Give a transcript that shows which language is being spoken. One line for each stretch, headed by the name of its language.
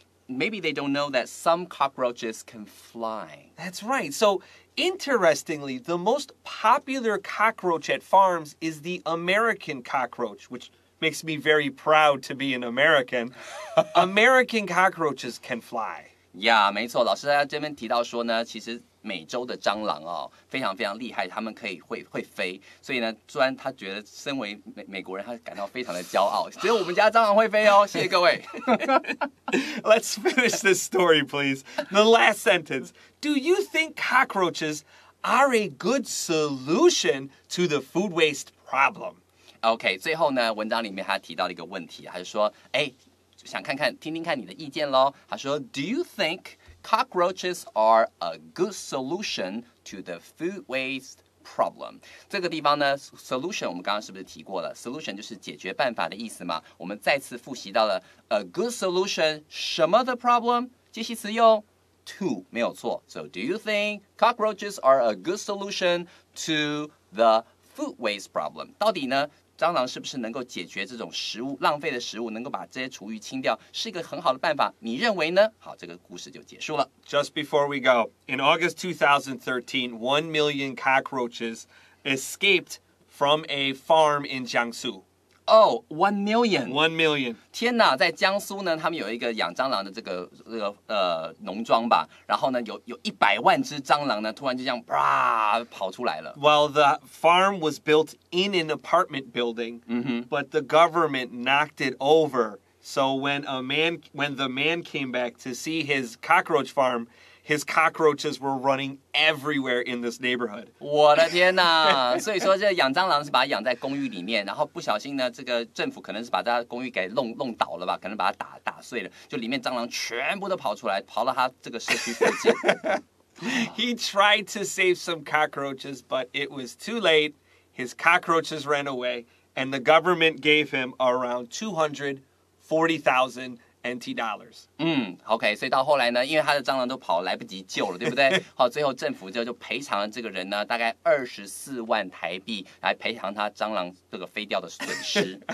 English: Maybe they don't know that some cockroaches can fly. That's right. So, interestingly, the most popular cockroach at farms is the American cockroach, which makes me very proud to be an American. American cockroaches can fly.
Chinese: Yeah, 没错。老师在这边提到说呢，其实美洲的蟑螂哦，非常非常厉害，他们可以会飞。所以呢，虽然他觉得身为美国人，他感到非常的骄傲。只有我们家蟑螂会飞哦，谢谢各位。
English: Let's finish this story, please. The last sentence. Do you think cockroaches are a good solution to the food waste problem?
Chinese: Okay, 最后呢，文章里面他提到了一个问题，他就说，哎，想看看，听听看你的意见咯。他说
English: ，Do you think？ Cockroaches are a good solution to the food waste problem.
Chinese: 这个地方呢 ，solution 我们刚刚是不是提过了 ？solution 就是解决办法的意思嘛。我们再次复习到了
English: a good solution
Chinese: 什么的 problem 介系词用 to 没有错。
English: So do you think cockroaches are a good solution to the food waste problem?
Chinese: 到底呢，蟑螂是不是能够解决这种食物浪费的食物，能够把这些厨余清掉，是一个很好的办法？你认为呢？好，这个故事就结束了。
English: Just before we go, in August 2013, 1 million cockroaches escaped from a farm in Jiangsu. Oh, 1 million. 1 million.
Chinese: 天哪，在江苏呢，他们有一个养蟑螂的这个农庄吧，然后呢，有100万只蟑螂呢，突然就这样啪跑出来了。
English: Well, the farm was built in an apartment building, but the government knocked it over, So when the man came back to see his cockroach farm, his cockroaches were running everywhere in this neighborhood.
Chinese: 我的天哪！所以说这养蟑螂是把它养在公寓里面，然后不小心呢，这个政府可能是把它公寓给弄倒了吧，可能把它打碎了，就里面蟑螂全部都跑出来，跑到他这个社区附近。
English: He tried to save some cockroaches, but it was too late. His cockroaches ran away, and the government gave him around $240,000.
Chinese: Okay, 所以到后来呢，因为他的蟑螂都跑来不及救了，对不对？好，最后政府就赔偿了这个人呢，大概24万台币来赔偿他蟑螂这个飞掉的损失。